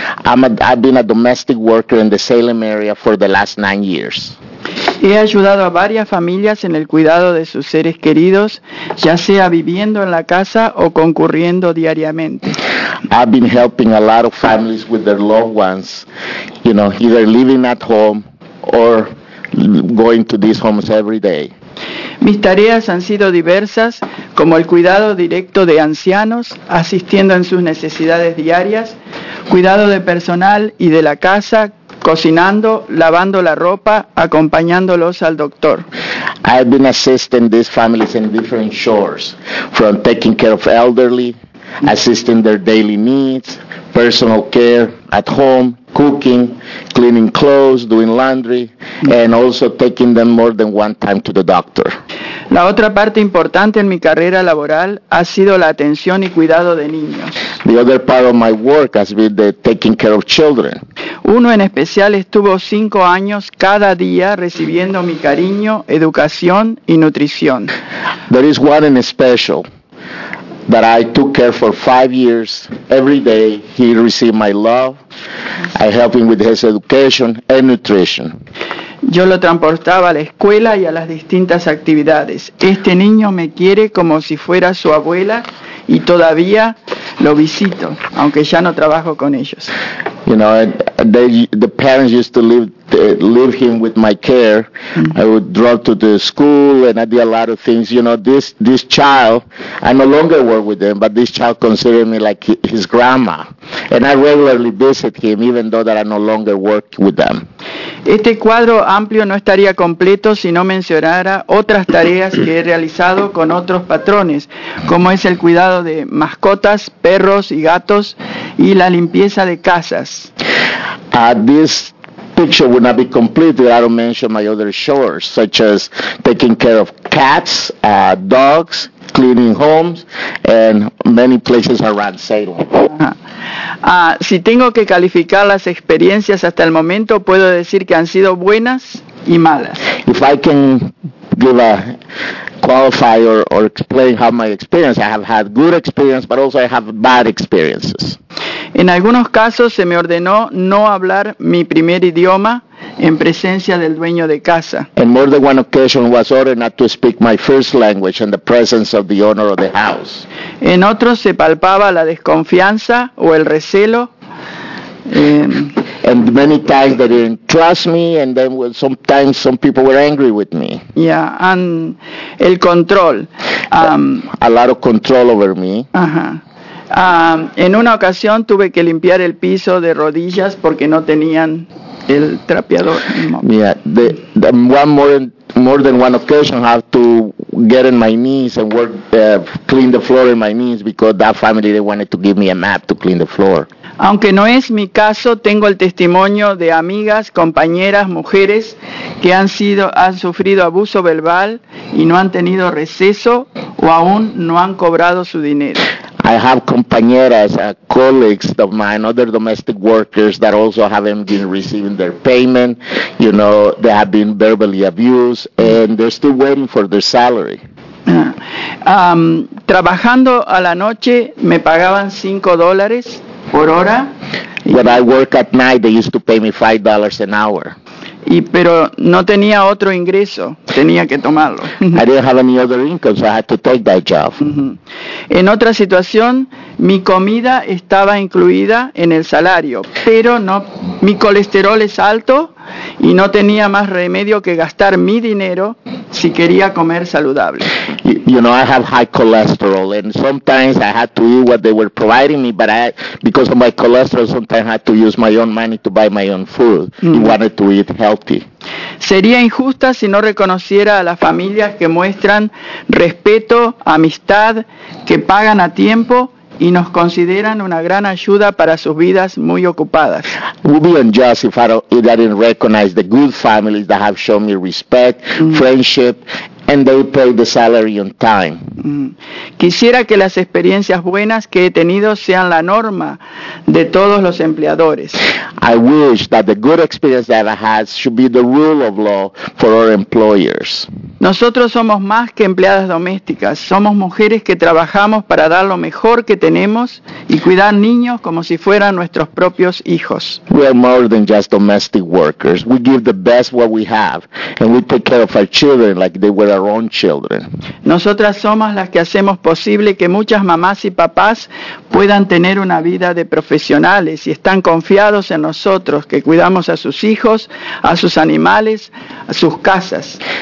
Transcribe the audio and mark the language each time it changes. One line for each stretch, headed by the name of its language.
English: I've been a domestic worker in the Ceylan area for the last 9 years.
Spanish: He ayudado a varias familias en el cuidado de sus seres queridos, ya sea viviendo en la casa o concurriendo diariamente.
English: I've been helping a lot of families with their loved ones, you know, either living at home or going to these homes every day.
Spanish: Mis tareas han sido diversas, como el cuidado directo de ancianos, asistiendo en sus necesidades diarias, cuidado de personal y de la casa, cocinando, lavando la ropa, acompañándolos al doctor.
English: I've been assisting these families in different chores, from taking care of elderly, assisting their daily needs, personal care at home, cooking, cleaning clothes, doing laundry, and also taking them more than one time to the doctor.
Spanish: La otra parte importante en mi carrera laboral ha sido la atención y cuidado de niños.
English: The other part of my work has been the taking care of children.
Spanish: Uno en especial estuvo 5 años cada día recibiendo mi cariño, educación y nutrición.
English: There is one in special that I took care for 5 years. Every day he received my love. I helped him with his education and nutrition.
Spanish: Yo lo transportaba a la escuela y a las distintas actividades. Este niño me quiere como si fuera su abuela y todavía lo visito, aunque ya no trabajo con ellos.
English: You know, the parents used to leave him with my care. I would drive to the school and I did a lot of things. You know, this child, I no longer work with him, but this child considered me like his grandma. And I regularly visit him, even though that I no longer work with them.
Spanish: Este cuadro amplio no estaría completo si no mencionara otras tareas que he realizado con otros patrones, como es el cuidado de mascotas, perros y gatos, y la limpieza de casas.
English: This picture would not be complete if I don't mention my other chores, such as taking care of cats, dogs, cleaning homes, and many places around Salem.
Spanish: Si tengo que calificar las experiencias hasta el momento, puedo decir que han sido buenas y malas.
English: If I can give a qualify or explain how my experience, I have had good experience, but also I have bad experiences.
Spanish: En algunos casos se me ordenó no hablar mi primer idioma en presencia del dueño de casa.
English: In more than one occasion was ordered not to speak my first language in the presence of the owner of the house.
Spanish: En otros se palpaba la desconfianza o el recelo.
English: And many times they didn't trust me, and then sometimes some people were angry with me. Yeah, and
Spanish: el control.
English: A lot of control over me. Uh-huh.
Spanish: En una ocasión tuve que limpiar el piso de rodillas porque no tenían el trapeador.
English: More than one occasion I have to get on my knees and work, clean the floor in my knees because that family, they wanted to give me a mat to clean the floor.
Spanish: Aunque no es mi caso, tengo el testimonio de amigas, compañeras, mujeres que han sufrido abuso verbal y no han tenido receso o aún no han cobrado su dinero.
English: I have compañeras, colleagues of mine, other domestic workers that also haven't been receiving their payment. You know, they have been verbally abused and they're still waiting for their salary.
Spanish: Trabajando a la noche me pagaban $5 por hora.
English: When I work at night, they used to pay me $5 an hour.
Spanish: Pero no tenía otro ingreso, tenía que tomarlo.
English: I didn't have any other income, so I had to take that job.
Spanish: En otra situación, mi comida estaba incluida en el salario, pero no, mi colesterol es alto y no tenía más remedio que gastar mi dinero si quería comer saludable.
English: You know, I have high cholesterol, and sometimes I had to eat what they were providing me, because of my cholesterol, sometimes I had to use my own money to buy my own food. I wanted to eat healthy.
Spanish: Sería injusta si no reconociera a las familias que muestran respeto, amistad, que pagan a tiempo y nos consideran una gran ayuda para sus vidas muy ocupadas.
English: It would be unjust if I didn't recognize the good families that have shown me respect, friendship, and they pay the salary on time.
Spanish: Quisiera que las experiencias buenas que he tenido sean la norma de todos los empleadores.
English: I wish that the good experience that I had should be the rule of law for our employers.
Spanish: Nosotros somos más que empleadas domésticas. Somos mujeres que trabajamos para dar lo mejor que tenemos y cuidar niños como si fueran nuestros propios hijos.
English: We are more than just domestic workers. We give the best what we have and we take care of our children like they were our own children.
Spanish: Nosotras somos las que hacemos posible que muchas mamás y papás puedan tener una vida de profesionales y están confiados en nosotros que cuidamos a sus hijos, a sus animales, a sus casas.